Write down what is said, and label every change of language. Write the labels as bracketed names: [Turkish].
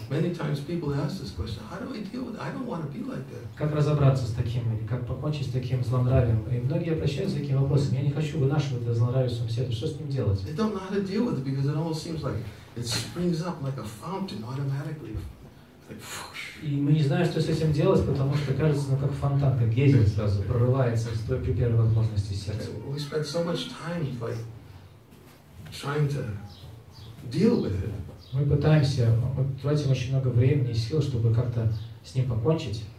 [English] Many times people ask this question. How do I deal with it? I don't want to be like that. [Russian] Как разобраться с таким или как покончить с таким злонравием? И многие обращаются к таким вопросам. Я не хочу вынашивать это злонравие в своем сердце. Что с ним делать? [English] They don't know how to deal with it because it almost seems like it springs up like a fountain automatically. [Russian] И мы не знаем, что с этим делать, потому что кажется, ну как фонтан, как гейзер сразу прорывается стой при первой возможности сердца. [English] We spend so much time like trying to deal with it. [Russian] Мы пытаемся, мы тратим очень много времени и сил, чтобы как-то с ним покончить.